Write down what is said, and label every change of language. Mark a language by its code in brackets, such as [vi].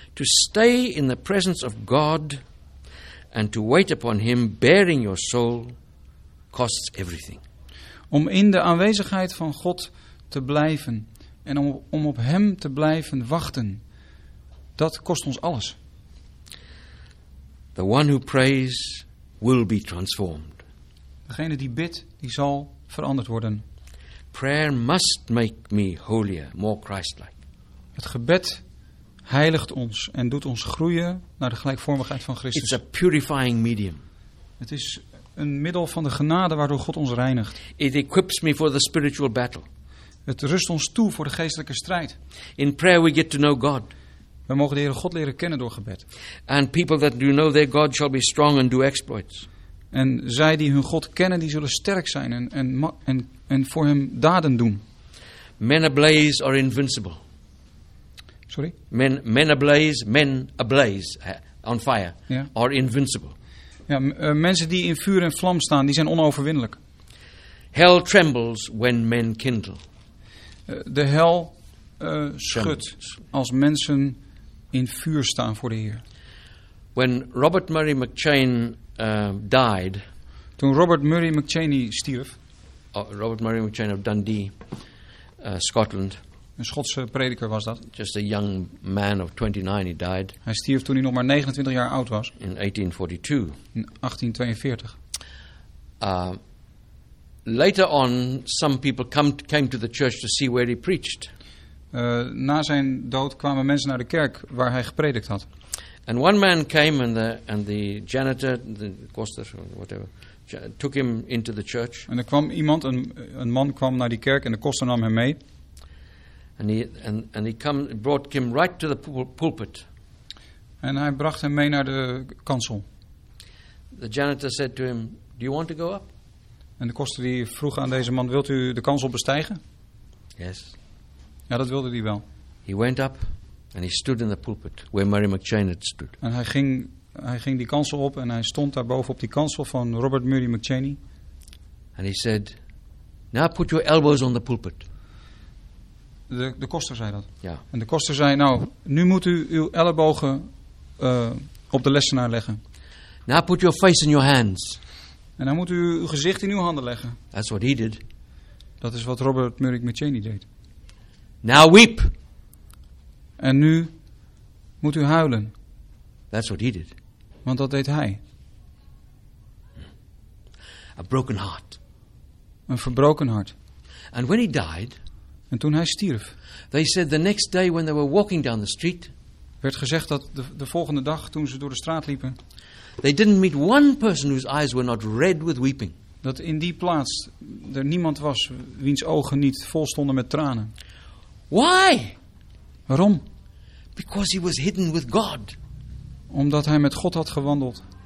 [en] To stay in the presence of God and to wait upon him bearing your soul costs everything. [nl] Om in de aanwezigheid van God te blijven en om op hem te blijven wachten, dat kost ons alles. [en] The one who prays will be transformed. [nl] Degene die bidt, die zal veranderd worden. [en] Prayer must make me holier, more Christ-like. [nl] Het gebed heiligt ons en doet ons groeien naar de gelijkvormigheid van Christus. [en] It's a purifying medium. [nl] Het is een middel van de genade waardoor God ons reinigt. [en] It equips me for the spiritual battle. [nl] Het rust ons toe voor de geestelijke strijd. [en] In prayer we get to know God. [nl] We mogen de Heere God leren kennen door gebed. [en] And people that do know their God shall be strong and do exploits. [nl] En zij die hun God kennen, die zullen sterk zijn en voor hem daden doen. [en] Men ablaze are invincible. Sorry? Men ablaze, on fire, yeah, are invincible. [nl] Ja, mensen die in vuur en vlam staan, die zijn onoverwinnelijk. [en] Hell trembles when men kindle. [nl] De hel schudt als mensen in vuur staan voor de Heer. [en] When Robert Murray McChane died. [nl] Toen Robert Murray McChane stierf. [en] Robert Murray McChane of Dundee, Scotland. [nl] Een Schotse prediker was dat. [en] Just a young man of 29 he died. Hij stierf toen hij nog maar 29 jaar oud was. In 1842. Later on some people came to the church to see where he preached. [nl] Na zijn dood kwamen mensen naar de kerk waar hij gepredikt had. [en] And one man came and the janitor, the koster, whatever, took him into the church. [nl] En er kwam iemand, een man kwam naar die kerk en de koster nam hem mee. [en] And he brought him right to the pulpit. [nl] En hij bracht hem mee naar de kansel. [en] The janitor said to him, "Do you want to go up?" [nl] En de koster die vroeg aan deze man, "Wilt u de kansel bestijgen?" [en] Yes. [nl] Ja, dat wilde hij wel. [en] He went up and he stood in the pulpit where Murray McChane had stood. [nl] En hij ging die kansel op en hij stond daar boven op die kansel van Robert Murray McChane. [en] And he said, "Now put your elbows on the pulpit." [nl] De koster zei dat. Ja. En de koster zei, "Nou, nu moet u uw ellebogen op de lessenaar leggen." [en] "Now put your face in your hands." [nl] En dan moet u uw gezicht in uw handen leggen. [en] That's what he did. [nl] Dat is wat Robert Murray McChane deed. [en] "Now weep." [nl] En nu moet u huilen. [en] That's what he did. [nl] Want dat deed hij. [en] A broken heart. [nl] Een verbroken hart. [en] And when he died, [nl] en toen hij stierf, [en] they said the next day when they were walking down the street, [nl] werd gezegd dat de volgende dag toen ze door de straat liepen, [en] they didn't meet one person whose eyes were not red with weeping. [nl] Dat in die plaats er niemand was wiens ogen niet vol stonden met tranen. [en] Why? [nl] Waarom? [en] Because he was hidden with God. [nl] Omdat hij met God had gewandeld.